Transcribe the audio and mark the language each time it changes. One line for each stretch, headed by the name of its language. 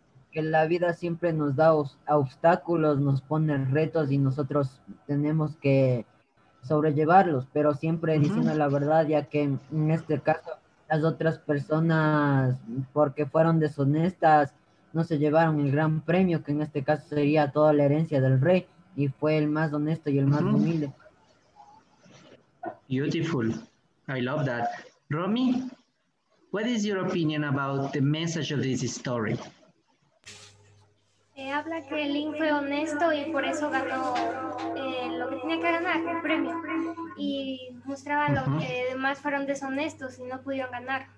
Spanish: Que la vida siempre nos da obstáculos, nos pone retos y nosotros tenemos que sobrellevarlos, pero siempre uh-huh. diciendo la verdad, ya que en este caso las otras personas, porque fueron deshonestas, no se llevaron el gran premio, que en este caso sería toda la herencia del rey, y fue el más honesto y el uh-huh. más humilde.
English: Beautiful. I love that. Romy, what is your opinion about the message of this story?
Spanish: Habla que Link fue honesto y por eso ganó lo que tenía que ganar, el premio. Y mostraba uh-huh. lo que demás fueron deshonestos y no pudieron ganar.